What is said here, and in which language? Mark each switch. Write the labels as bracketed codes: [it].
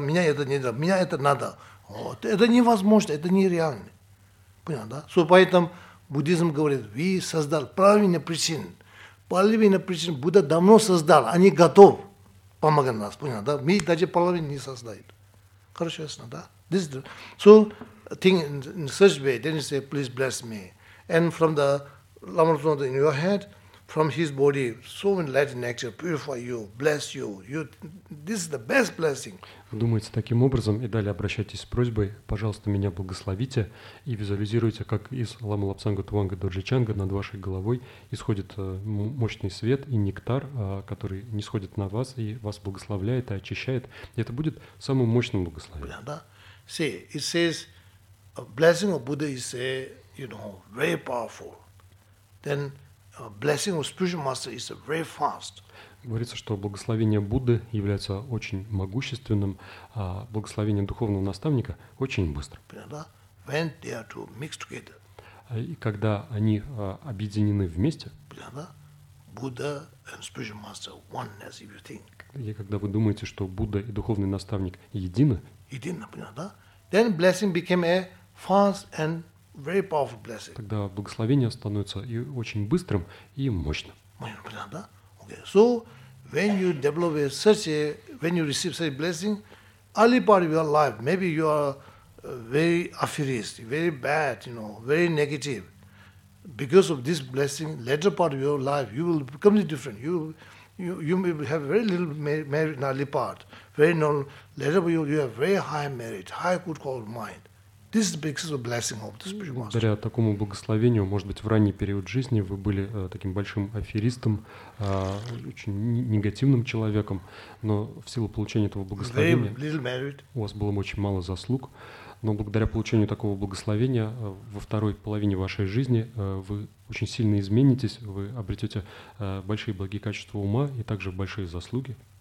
[ru] Меня это не дают, меня это надо. Вот. Это невозможно, это нереально. Понял, да? So, поэтому буддизм говорит, вы создали правильные причины. Половина причин Будда давно создал, они готовы помогать нам. Понял, да? Мы даже половину не создаем. Хорошо, ясно, да? [en] This is the, so, thing in such way, then you say, please bless me. And from the Lama Rinpoche in your head, from his body, so many light and nectar purify you, bless you. This is the best blessing. [ru] Думайте таким образом и далее обращайтесь с просьбой, пожалуйста, меня благословите и визуализируйте, как из Лама Лапсанга Туанга Доржичанга над вашей головой исходит мощный свет и нектар, который нисходит на вас и вас благословляет и очищает. И это будет самым мощным благословением. Да. [en] See, it says, a blessing of Buddha is a, you know, very powerful. Then a blessing of spiritual master is a very fast. [ru] Говорится, что благословение Будды является очень могущественным, а благословение духовного наставника очень быстро. [en] When they are to mix together. [ru] И когда они объединены вместе, [en] Buddha and spiritual master oneness, if you think. [ru] И когда вы думаете, что Будда и духовный наставник едины, [en] Then blessing became a fast and very powerful blessing. [ru] Тогда благословение становится и очень быстрым, и мощным. [en] Okay. So when you develop a such a, when you receive such a blessing, early part of your life, maybe you are very afraid, very bad, you know, very negative. Because of this blessing, later part of your life, you will become different. You may have very little merit in early part. Very normal. Later, you have very high merit, high good quality of mind. This is because of blessing of the spiritual master. [ru] Благодаря такому благословению, может быть, в ранний период жизни вы были таким большим аферистом, очень негативным человеком, но в силу получения этого благословения [en] very little merit. [ru] У вас было очень мало заслуг, но благодаря получению такого благословения во второй половине вашей жизни вы очень сильно изменитесь, вы обретете большие благие качества ума и также большие заслуги.